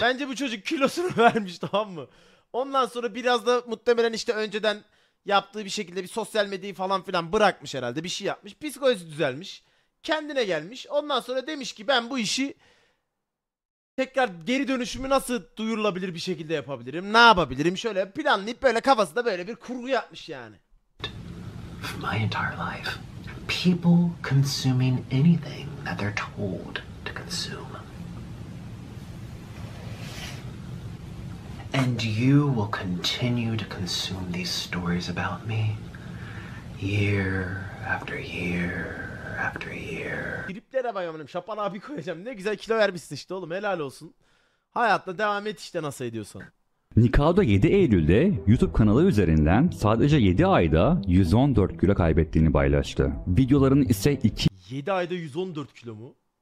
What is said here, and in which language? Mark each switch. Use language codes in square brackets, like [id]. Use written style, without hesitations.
[tr] Bence bu çocuk kilosunu vermiş, tamam mı? Ondan sonra biraz da muhtemelen işte önceden yaptığı bir şekilde bir sosyal medyayı falan filan bırakmış herhalde, bir şey yapmış. Psikolojisi düzelmiş. Kendine gelmiş. Ondan sonra demiş ki ben bu işi tekrar geri dönüşümü nasıl duyurulabilir bir şekilde yapabilirim? Ne yapabilirim? Şöyle planlayıp böyle kafasında böyle bir kurgu yapmış yani. [en] For my entire life, people consuming anything that they're told to consume. And you will continue to consume these stories about me year after year after year. [tr] Triplere bayamadım, şapan abi koyacağım. Ne güzel kilo vermişsin işte oğlum, helal olsun. Hayatta devam et işte nasıl ediyorsan. Nikado 7 Eylül'de YouTube kanalı üzerinden sadece 7 ayda 114 kilo kaybettiğini paylaştı. Videoların ise 7 ayda 114 kilo mu?